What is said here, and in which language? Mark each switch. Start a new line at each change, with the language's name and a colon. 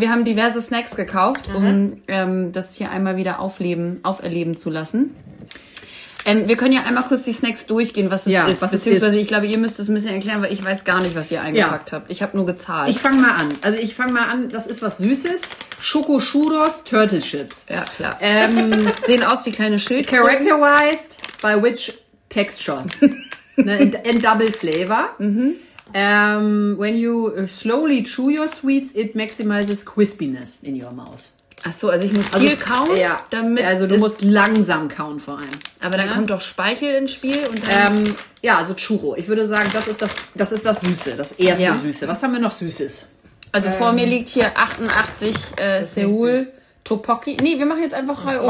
German: Wir haben diverse Snacks gekauft, um das hier einmal wieder auferleben zu lassen. Wir können ja einmal kurz die Snacks durchgehen, was es ist. Ich glaube, ihr müsst es ein bisschen erklären, weil ich weiß gar nicht, was ihr eingepackt habt. Ich habe nur gezahlt. Ich fange mal an. Also ich fange mal an, das ist was Süßes. Schoko Churros Turtle Chips. Ja, klar. sehen aus wie kleine Schild.
English: Character-wise, by which... Texture. In double flavor. Mm-hmm. When you slowly chew your sweets, it maximizes crispiness in your mouth.
German: Ach so, also ich muss viel kauen? Ja, damit also du musst langsam kauen vor allem. Aber dann kommt doch Speichel ins Spiel. Und dann Also Churro. Ich würde sagen, das ist das Süße, das erste Süße. Was haben wir noch Süßes? Also vor mir liegt hier 88 Seoul. Tteokbokki. Nee, wir machen jetzt einfach Reihe